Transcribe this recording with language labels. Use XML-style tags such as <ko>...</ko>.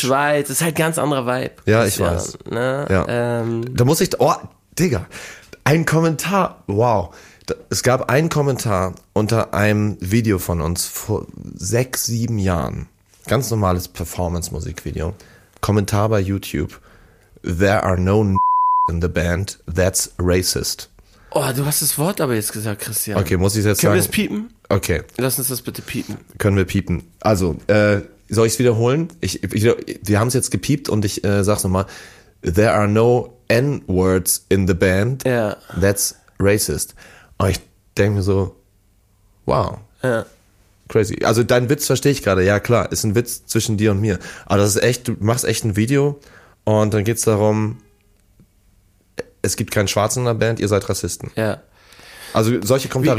<de>Schweiz, das ist halt ganz anderer Vibe. Ja, ich weiß. Ne? Ja. Da muss ich, oh, Digga. Ein Kommentar, wow. Es gab einen Kommentar unter einem Video von uns vor 6, 7 Jahren. Ganz normales Performance-Musikvideo. Kommentar bei YouTube.</de> <en>There are no n- in the band. That's racist.</en> <de>Oh, du hast das Wort aber jetzt gesagt, Christian. Okay, muss ich es jetzt können sagen? Können wir es piepen? Okay. Lass uns das bitte piepen. Können wir piepen. Also, soll ich es wiederholen? Wir haben es jetzt gepiept und ich sag's nochmal.</de> <en>There are no N-words in the band, that's racist.</en> <de>Und ich denke mir so, wow, crazy. Also deinen Witz verstehe ich gerade, ja klar, ist ein Witz zwischen dir und mir. Aber das ist echt, du machst echt ein Video und dann geht es darum, es gibt keinen Schwarzen in der Band, ihr seid Rassisten. Ja. Also solche Kommentare</de>